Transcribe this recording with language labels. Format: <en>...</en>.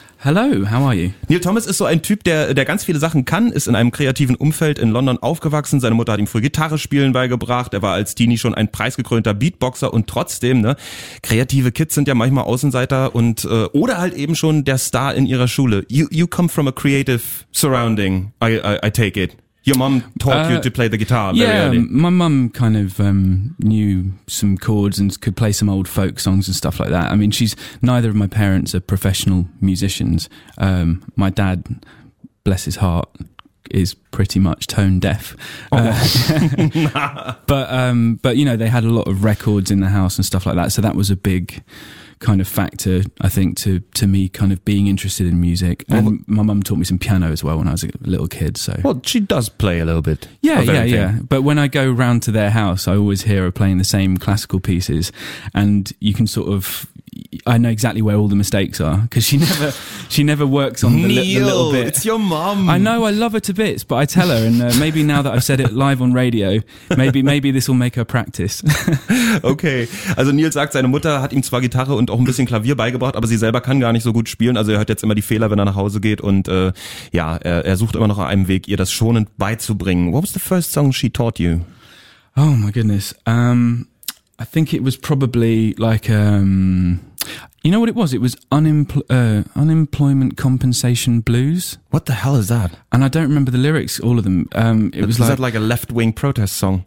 <en>Hello, how are you?</en> <de>Neil Thomas ist so ein Typ, der ganz viele Sachen kann, ist in einem kreativen Umfeld in London aufgewachsen. Seine Mutter hat ihm früh Gitarre spielen beigebracht. Er war als Teenie schon ein preisgekrönter Beatboxer und trotzdem, ne, kreative Kids sind ja manchmal Außenseiter und oder halt eben schon der Star in ihrer Schule.</de> <en>You come from a creative surrounding, I take it. Your mom taught you to play the guitar very early. Yeah, my mom kind of knew some chords and could play some old folk songs and stuff like that. I mean, neither of my parents are professional musicians. My dad, bless his heart, is pretty much tone deaf. Oh. but you know, they had a lot of records in the house and stuff like that. So that was a big kind of factor, I think, to me kind of being interested in music. And my mum taught me some piano as well when I was a little kid, so. Well, she does play a little bit. Yeah. But when I go round to their house, I always hear her playing the same classical pieces, and you can sort of, I know exactly where all the mistakes are, because she never works on the little bit. It's your mum. I know, I love her to bits, but I tell her, and maybe now that I've said it live on radio, maybe this will make her practice.</en> <de>Okay, also Neil sagt, seine Mutter hat ihm zwar Gitarre und auch ein bisschen Klavier beigebracht, aber sie selber kann gar nicht so gut spielen, also er hört jetzt immer die Fehler, wenn er nach Hause geht, und er sucht immer noch einen Weg, ihr das schonend beizubringen.</de> <en>What was the first song she taught you? Oh my goodness, I think it was probably like, you know what it was? It was Unemployment Compensation Blues. What the hell is that? And I don't remember the lyrics, all of them. Is that like a left-wing protest song?</en>